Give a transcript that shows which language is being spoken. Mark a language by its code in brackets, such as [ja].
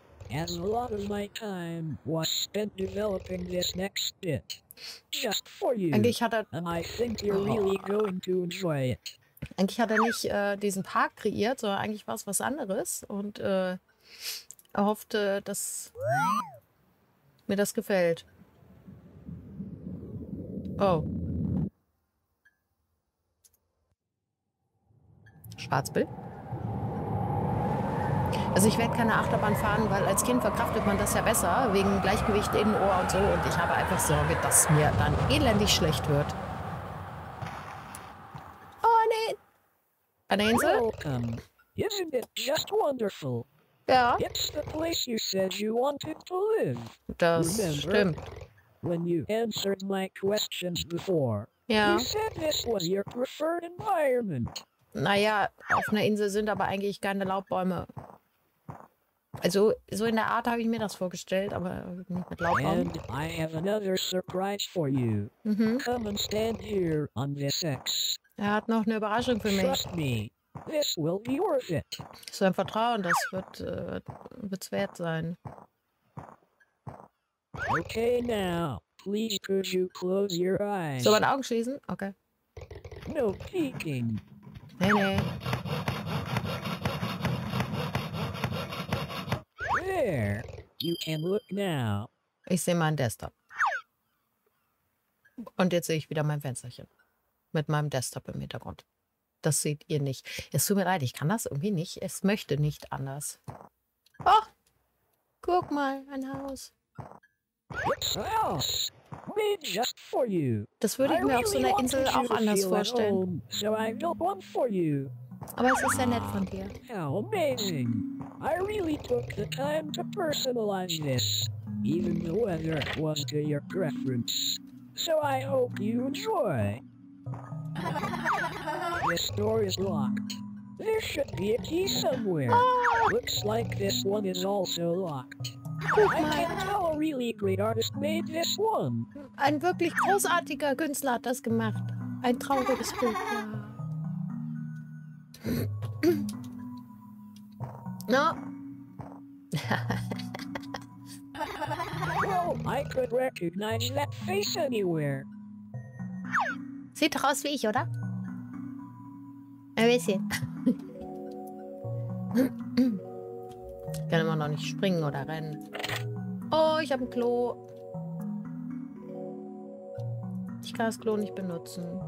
[en] As a lot of my time was spent developing this next bit, just for you. [de] Eigentlich hat er, [en] and I think you're really going to enjoy it. [de] Eigentlich hat er nicht diesen Park kreiert, sondern eigentlich war es was anderes und er hoffte, dass mir das gefällt. Oh. Schwarzbild? Also ich werde keine Achterbahn fahren, weil als Kind verkraftet man das ja besser, wegen Gleichgewicht in Ohr und so. Und ich habe einfach Sorge, dass mir dann elendig schlecht wird. Oh, nee. Eine Insel? [en] Welcome. Isn't it just wonderful? [de] Ja. [en] It's the place you said you wanted to live. [de] Das stimmt. [en] When you answered my questions before, [de] ja. [en] You said this was your preferred environment. [de] Naja, auf einer Insel sind aber eigentlich keine Laubbäume. Also, so in der Art habe ich mir das vorgestellt, aber nicht mit Laubbaum. [en] And I have another surprise for you. Mhm. Come and stand here on this X. [de] Er hat noch eine Überraschung für mich. [en] Trust me, this will be worth it. [de] So ein Vertrauen, das wird wird's wert sein. [en] Okay, now, please could you close your eyes? [de] Soll man Augen schließen? Okay. [en] No peeking. [de] Nee, nee. [en] There, you can look now. [de] Ich sehe meinen Desktop. Und jetzt sehe ich wieder mein Fensterchen. Mit meinem Desktop im Hintergrund. Das seht ihr nicht. Es tut mir leid, ich kann das irgendwie nicht. Es möchte nicht anders. Oh, guck mal, ein Haus. [en] It's a house. Made just for you. [de] Das würde ich mir [en] really [de] auf so einer Insel auch anders vorstellen. [en] Home, so one for you. [de] Aber es ist sehr nett von dir. [en] How amazing. I really took the time to personalize this. Even the weather was to your preference. So I hope you enjoy. This door is locked. There should be a key somewhere. Looks like this one is also locked. I can't tell a really great artist made this one. [de] Ein wirklich großartiger Künstler hat das gemacht. Ein trauriges Buch. Ja. [en] No. Well, I could recognize that face anywhere. [de] Sieht doch aus wie ich, oder? Ein bisschen. Ich kann immer noch nicht springen oder rennen. Oh, ich habe ein Klo. Ich kann das Klo nicht benutzen.